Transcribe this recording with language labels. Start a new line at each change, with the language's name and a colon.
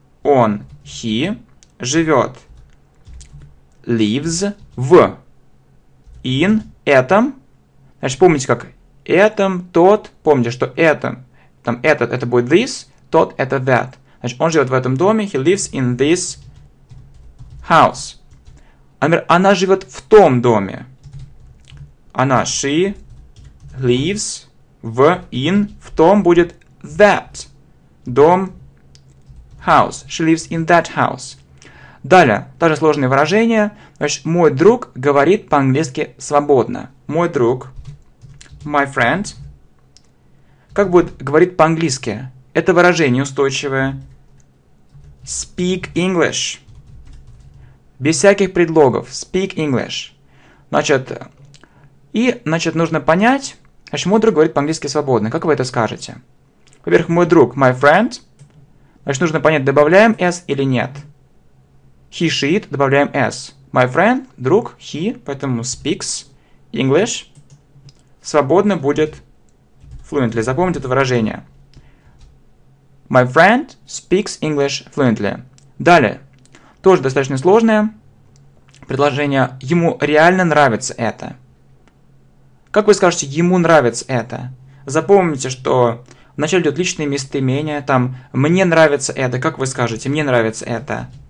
Russian: Он, he, живет, lives, в, in, этом, значит, помните, как этом, тот, помните, что этом, там, этот, это будет
English: this,
Russian: тот, это
English: that.
Russian: Значит, он живет в этом доме,
English: he lives in this house.
Russian: Например, она живет в том доме. Она,
English: she lives в, in, в том будет that, дом, house. She lives in that house.
Russian: Далее, тоже сложные выражения. Значит, мой друг говорит по-английски свободно. Мой друг,
English: my friend,
Russian: как будет говорить по-английски? Это выражение устойчивое.
English: Speak English.
Russian: Без всяких предлогов.
English: Speak English.
Russian: Значит, и, значит, нужно понять, значит, мой друг говорит по-английски свободно. Как вы это скажете? Во-первых, мой друг,
English: my friend.
Russian: Значит, нужно понять, добавляем s или нет.
English: He, she, it,
Russian: добавляем
English: s. My friend,
Russian: друг,
English: he,
Russian: поэтому
English: speaks English.
Russian: Свободно будет
English: fluently.
Russian: Запомните это выражение.
English: My friend speaks English fluently.
Russian: Далее. Тоже достаточно сложное предложение. Ему реально нравится это. Как вы скажете, ему нравится это? Запомните, что вначале идет личное местоимение. Там, мне нравится это. Как вы скажете, мне нравится это?